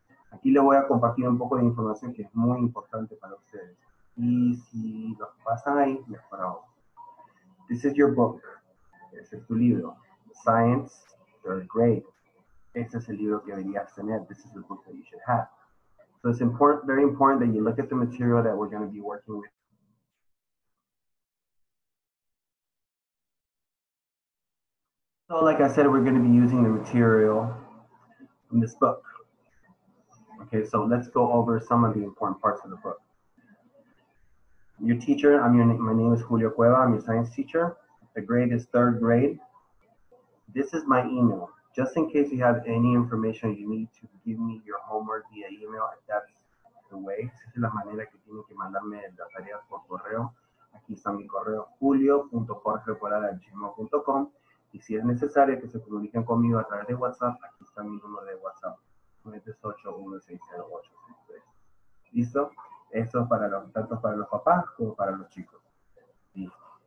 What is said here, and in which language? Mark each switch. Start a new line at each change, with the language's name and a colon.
Spanish: Aquí le voy a compartir un poco de información que es muy importante para ustedes. Y si lo pasan ahí, mejor aún.
English: This is your book.
Spanish: Este es tu libro.
English: Science, third grade.
Spanish: Este es el libro que deberías tener.
English: This is the book that you should have. So it's important, very important that you look at the material that we're going to be working with. So like I said, we're going to be using the material from this book. Okay, so let's go over some of the important parts of the book. Your teacher, my name is Julio Cueva, I'm your science teacher. The grade is third grade. This is my email. Just in case you have any information you need to give me your homework via email, if that's the way.
Spanish: Esa es la manera que tienen que mandarme las tareas por correo. Aquí está mi correo, julio.jorge.gmail.com. Y si es necesario que se comuniquen conmigo a través de WhatsApp, aquí está mi número de WhatsApp, 938-160-863. ¿Listo? Esto es para los, tanto para los papás como para los chicos. Listo.